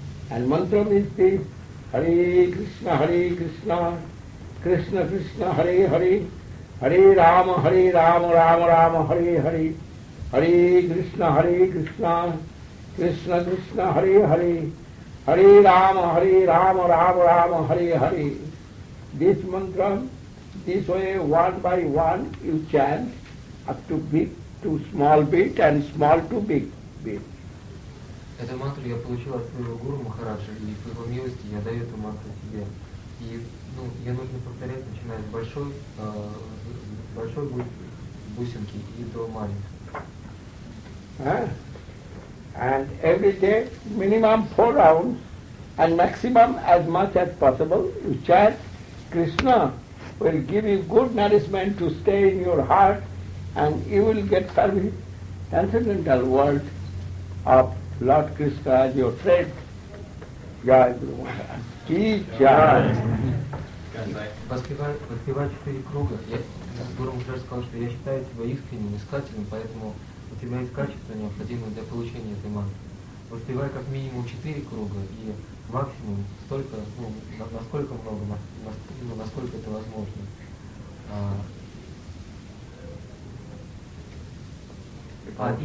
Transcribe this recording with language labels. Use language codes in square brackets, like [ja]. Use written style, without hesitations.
[en] And mantra is this: [sa] Hare Krishna, Hare Krishna, Krishna Krishna, Hare Hare, Hare Rama, Hare Rama, Rama Rama, Hare Hare, Hare Krishna, Hare Krishna, Krishna Krishna, Hare Hare, Hare Rama, Hare Rama, Rama Rama, Hare Hare. This mantra, this way, one by one, you chant up to big to small bit and small to big bit. [ru] Эту мантру я получил от своего Гуру Махараджа, и по его милости я даю эту мантру тебе. И, ну, ее нужно повторять, начиная с большой, большой бусинки и до маленькой. [en] And every day, minimum 4 rounds, and maximum as much as possible, you chant, Krishna will give you good nourishment to stay in your heart, and you will get the transcendental world of Lord Krishna as your friend. [hi] Jai Guru Maharaj. Ki Jai. [ru] Воспевая четыре круга, Гуру Махарадж сказал, что я считаю тебя искренним искателем, поэтому у тебя есть качество, необходимое для получения этой мантры. Воспевай как минимум 4 круга и максимум столько, ну, насколько много, насколько это возможно.